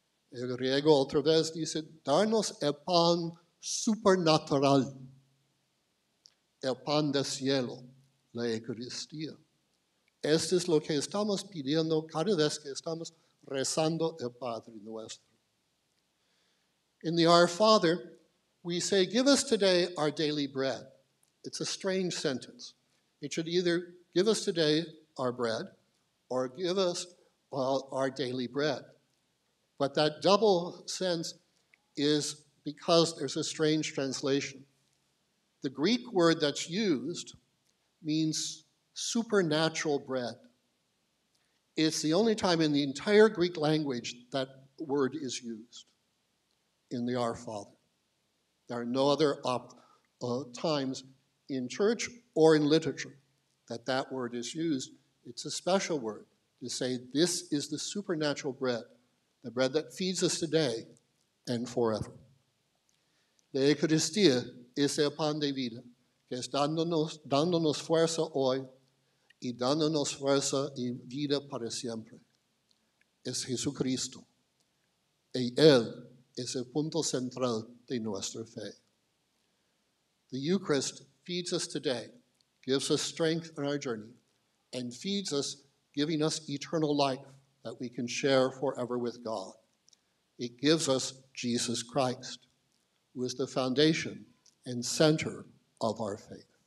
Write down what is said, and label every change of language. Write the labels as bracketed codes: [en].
[es] El griego otra vez dice, darnos el pan supernatural, el pan del cielo, la Eucaristía. Esto es lo que estamos pidiendo cada vez que estamos rezando el Padre nuestro. [en] In the Our Father, we say, give us today our daily bread. It's a strange sentence. It should either give us today our bread or give us our daily bread. But that double sense is because there's a strange translation. The Greek word that's used means supernatural bread. It's the only time in the entire Greek language that word is used in the Our Father. There are no other times in church or in literature that that word is used. It's a special word to say this is the supernatural bread, the bread that feeds us today and forever. [es] La Eucaristía es el pan de vida, que es dándonos fuerza hoy y dándonos fuerza y vida para siempre. Es Jesucristo. Y Él es el punto central de nuestra fe. [en] The Eucharist feeds us today, gives us strength in our journey, and feeds us, giving us eternal life that we can share forever with God. It gives us Jesus Christ, who is the foundation and center of our faith.